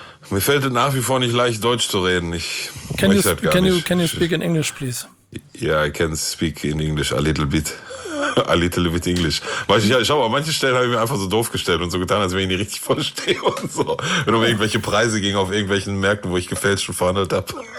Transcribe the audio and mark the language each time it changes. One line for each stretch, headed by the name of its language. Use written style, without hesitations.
German: Mir fällt es nach wie vor nicht leicht, Deutsch zu reden.
English: Can you speak in English, please?
German: Ja,
English: yeah, I can speak in English a little bit English.
German: Weißt du, ja, schau mal, manche Stellen habe ich mir einfach so doof gestellt und so getan, als wenn ich nicht richtig verstehe und so. Wenn um irgendwelche Preise ging auf irgendwelchen Märkten, wo ich gefälscht und verhandelt habe.